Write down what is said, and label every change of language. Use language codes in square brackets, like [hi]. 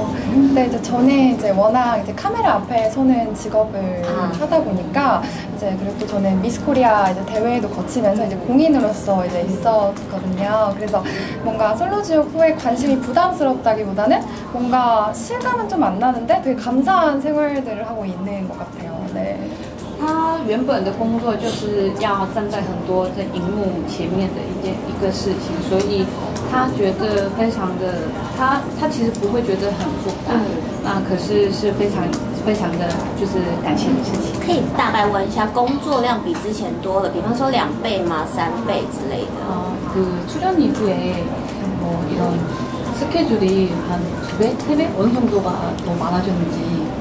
[ko] 근데 이제 저는 이제 워낙 이제 카메라 앞에 서는 직업을 하다 보니까 이제 그리고 또 저는 미스 코리아 이제 대회에도 거치면서 이제 공인으로서 이제 있었거든요. 그래서 뭔가 솔로 지옥 후에 관심이 부담스럽다기보다는 뭔가 실감은 좀 안 나는데 되게 감사한 생활들을 하고 있는 것 같아요. 네. [zh] 他原本的工作就是要站在很多在荧幕前面的一个事情，所以他觉得非常的他其实不会觉得很负担，那可是是非常非常的就是感谢的事情。可以大概问一下，工作量比之前多了，比方说两倍吗？三倍之类的？ [ko] 그출연이후에뭐이런스케줄이한두배세배어느정도가더많아졌는지